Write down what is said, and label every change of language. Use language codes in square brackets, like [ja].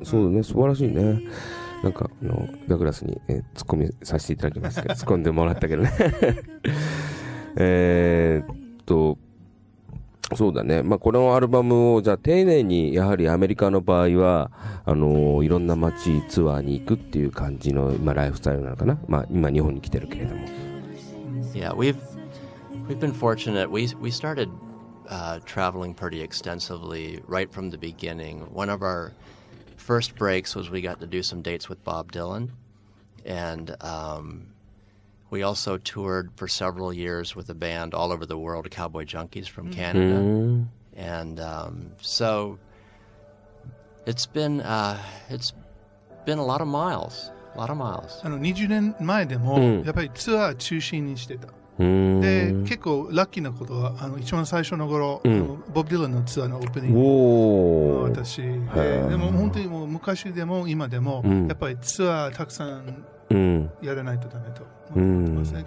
[ja] そうだね、素晴らしいね。なんかあのダグラスに、ツッコミさせていただきますけど、ツッコんでもらったけどねそうだね、まあ、このアルバムをじゃあ丁寧にやはりアメリカの場合はいろんな街ツアーに行くっていう感じの、まあ、ライフスタイルなのかな、まあ、今日本に来てるけれども。 [en] Yeah, we've been fortunate. We started、traveling pretty extensively right from the beginning. One of our first breaks was we got to do some dates with Bob Dylan, and、we also toured for several years with a band all over the world, Cowboy Junkies from Canada.、Mm-hmm. And、so it's been a lot of miles, a lot of miles. [ja] 20年前でも、やっぱりツアー中心にしてた。で、結構ラッキーなことは、一番最初の頃、ボブ・ディランのツアーのオープニングの私。でも本当にもう昔でも今でも、やっぱりツアーたくさんやらないとダメと思ってますね。